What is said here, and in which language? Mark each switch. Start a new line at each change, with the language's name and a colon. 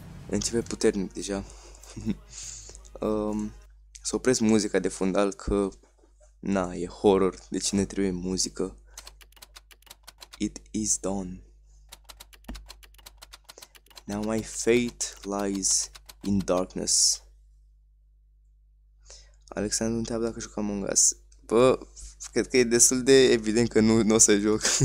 Romanian: Începe puternic, deja. Să opresc muzica de fundal, că... Na, e horror, deci ne trebuie muzică.
English: It is dawn. Now my fate lies in darkness.
Romanian: Alexandru întreabă dacă joc Among Us. Bă, cred că e destul de evident că nu o să joc.